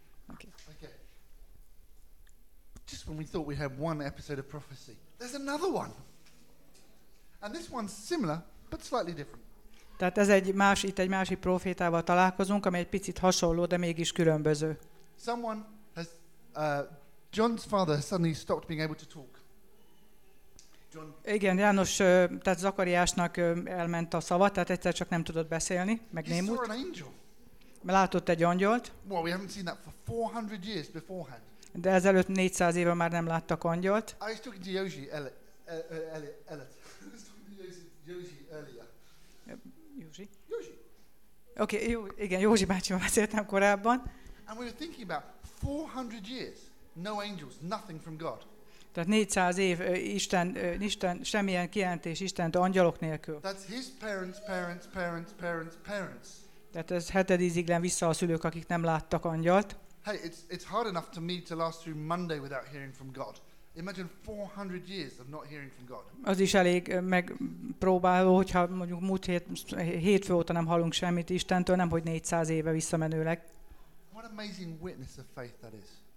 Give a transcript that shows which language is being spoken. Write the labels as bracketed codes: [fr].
[en] When we thought we had one episode of prophecy, there's another one, and this one's similar but slightly different. [hu] Tehát ez egy más, itt egy másik prófétával találkozunk, ami egy picit hasonló, de mégis különböző. [en] Someone has John's father has suddenly stopped being able to talk. John. [hu] Igen, János, tehát Zakariásnak elment a szava, tehát egyszer csak nem tudott beszélni, meg [en] némult. He saw an angel. [hu] Látott egy angyolt. [en] Well, we haven't seen that for 400 years beforehand. [hu] De ezelőtt 400 éve már nem láttak angyolt. [en] I was talking to Yoshi earlier. Yoshi. [hu] Okay, igen, Yoshi bácsival beszéltem korábban. [en] And we were thinking about 400 years, no angels, nothing from God. [hu] Tehát 400 év Isten semmilyen kijelentés Istentől angyalok nélkül. [en] That's his parents, parents, parents, parents, parents. [hu] Tehát ez hetedik ziglen vissza a szülők, akik nem láttak angyalt. [en] Hey, it's hard enough to me to last through Monday without hearing from God. Imagine 400 years of not hearing from God. [hu] Az is elég megpróbáló, hogyha mondjuk múlt hétfő óta nem hallunk semmit Istentől, nem hogy 400 éve visszamenőleg. [en] What amazing witness of faith that is.